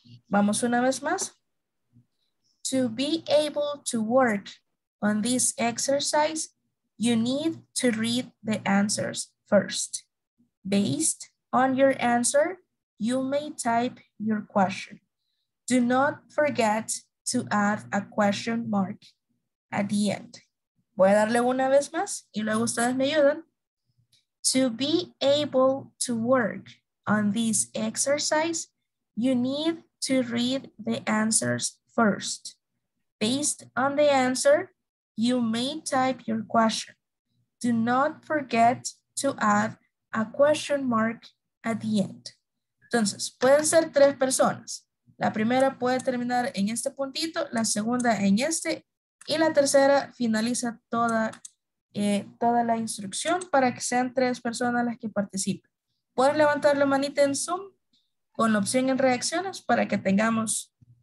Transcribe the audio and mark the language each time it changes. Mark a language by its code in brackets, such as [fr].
[es] Vamos una vez más. [en] To be able to work on this exercise, you need to read the answers first. Based on your answer, you may type your question. Do not forget to add a question mark at the end. [es] Voy a darle una vez más y luego ustedes me ayudan. [en] To be able to work on this exercise, you need to read the answers first. Based on the answer, you may type your question. Do not forget to add a question mark at the end. [es] Entonces, pueden ser tres personas. La primera puede terminar en este puntito, la segunda en este, y la tercera finaliza toda la instrucción para que sean tres personas las que participen. Puedes levantar la manita en Zoom con la opción en reacciones para que tengamos...